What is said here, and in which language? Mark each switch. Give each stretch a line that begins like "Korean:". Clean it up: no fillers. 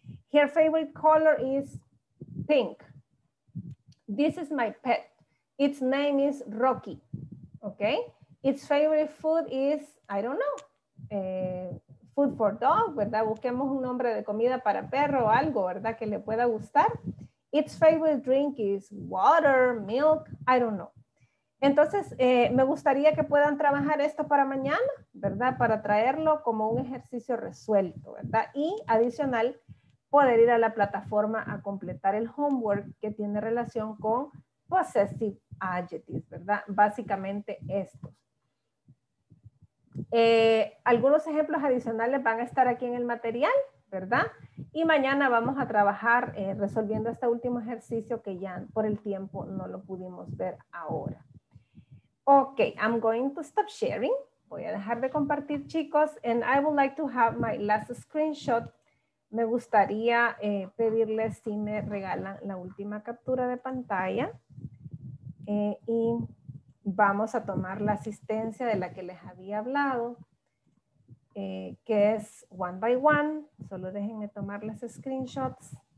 English: Her favorite color is pink. This is my pet. Its name is Rocky. Okay? Its favorite food is, I don't know, food for dog,
Spanish: ¿verdad? Busquemos un nombre de comida para perro o algo, ¿verdad? Que le pueda gustar.
English: Its favorite drink is water, milk, I don't know.
Spanish: Entonces, me gustaría que puedan trabajar esto para mañana, ¿verdad? Para traerlo como un ejercicio resuelto, ¿verdad? Y adicional, poder ir a la plataforma a completar el homework que tiene relación con possessive adjectives, ¿verdad? Básicamente estos. Algunos ejemplos adicionales van a estar aquí en el material, ¿verdad? Y mañana vamos a trabajar resolviendo este último ejercicio que ya por el tiempo no lo pudimos ver ahora.
English: Ok, I'm going to stop sharing.
Spanish: Voy a dejar de compartir, chicos.
English: And I would like to have my last screenshot.
Spanish: Me gustaría pedirles si me regalan la última captura de pantalla. Y vamos a tomar la asistencia de la que les había hablado. Que es
English: one by one,
Spanish: solo déjenme tomar las screenshots.